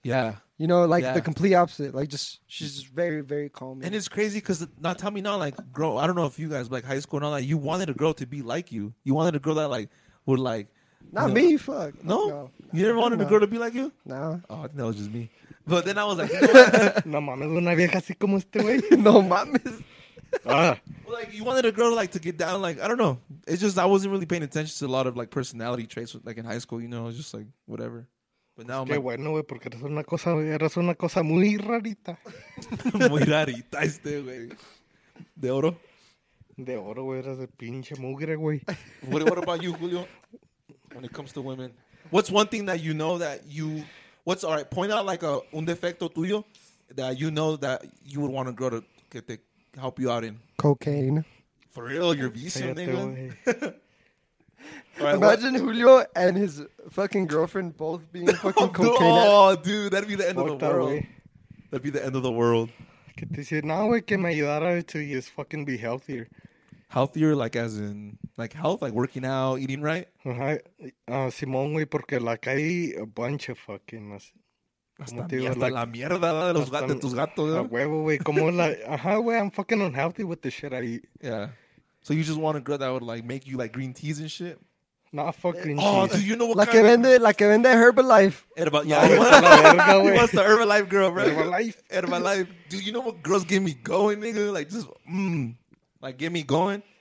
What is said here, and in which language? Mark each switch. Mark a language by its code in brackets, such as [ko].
[en] Yeah. You know, like the complete opposite. Like, just she's just very, very calm. And it's crazy because, not tell me not, like, girl, I don't know if you guys, but like high school and all that, you wanted a girl to be like you. You wanted a girl that, like, would, like. Not me, fuck. No? You never wanted a girl to be like you? Nah. Oh, I think that was just me. But then I was like, [es] no mames, una vieja así como este güey. No mames. [en] Like, you wanted a girl, like, to get down, like, I don't know. It's just, I wasn't really paying attention to a lot of, like, personality traits, like, in high school, you know, it was just, like, whatever. [es] Qué bueno, güey, porque eres una cosa muy rarita. Muy rarita este, güey. ¿De oro? De oro, güey, eres de pinche mugre, güey. [en] What about you, Julio? When it comes to women. What's one thing that you know that you... What's, all right, point out like [es] un defecto tuyo [en] that you know that you would want a girl to [es] que te [en] help you out in. Cocaine. For real, your vicio, nigga. Right, imagine what? Julio and his fucking girlfriend both being fucking cocaine. Oh, dude, that'd be the end of the world. That'd be the end of the world. [es] Que te dice, no, güey, que me ayudara [en] to just fucking be healthier. Healthier, like as in, like health, like working out, eating right? [es] Simón, güey, porque la caí [en] a bunch of fucking... [es] Hasta la mierda de los gatos, de tus gatos, güey. A huevo, güey, como la... [en] güey, I'm fucking unhealthy with the shit I eat. Yeah. So you just want a girl that would like make you like green teas and shit? Not fucking shit. Oh, do you know what like kind [es] of... Like que vende Herbalife. [en] He wants the Herbalife girl, bro. Herbalife. Do you know what girls get me going, nigga? Like just, like get me going?